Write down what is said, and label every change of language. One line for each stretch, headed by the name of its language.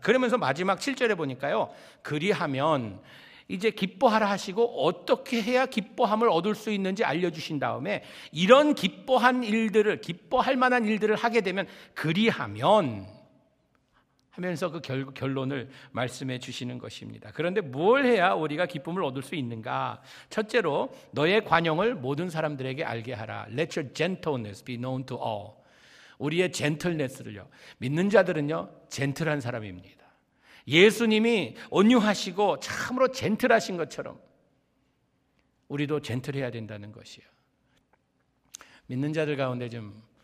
Korean: 그러면서 마지막 7절에 보니까요, 그리하면 이제 기뻐하라 하시고 어떻게 해야 기뻐함을 얻을 수 있는지 알려주신 다음에, 이런 기뻐한 일들을, 기뻐할 만한 일들을 하게 되면 그리하면 하면서 그 결론을 말씀해 주시는 것입니다. 그런데 뭘 해야 우리가 기쁨을 얻을 수 있는가? 첫째로, 너의 관용을 모든 사람들에게 알게 하라.
English: Let your gentleness be known to all.
Korean: 우리의 gentleness를요. 믿는 자들은요, 젠틀한 사람입니다. 예수님이 온유하시고 참으로 젠틀하신 것처럼 우리도 젠틀해야 된다는 것이요. 믿는 자들 가운데 좀